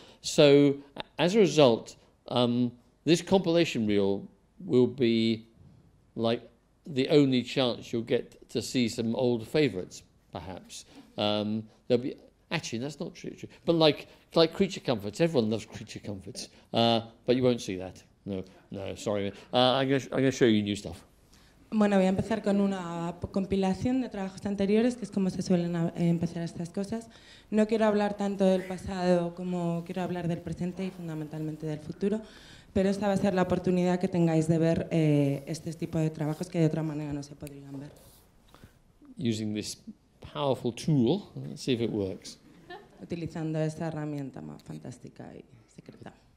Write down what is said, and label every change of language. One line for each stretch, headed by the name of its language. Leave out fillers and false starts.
English: So as a result, this compilation reel will be like the only chance you'll get to see some old favourites, perhaps. There'll be actually, that's not true. But like Creature Comforts, everyone loves Creature Comforts. But you won't see that. No, sorry. I'm going to show you new stuff.
Spanish: Bueno, voy a empezar con una compilación de trabajos anteriores, que es como se suelen empezar estas cosas. No quiero hablar tanto del pasado como quiero hablar del presente y fundamentalmente del futuro. Pero esta va a ser la oportunidad que tengáis de ver este tipo de trabajos que de otra manera no se podrían ver.
English: Using this powerful tool, let's see if it works.
Spanish: Utilizando esta herramienta más fantástica y secreta.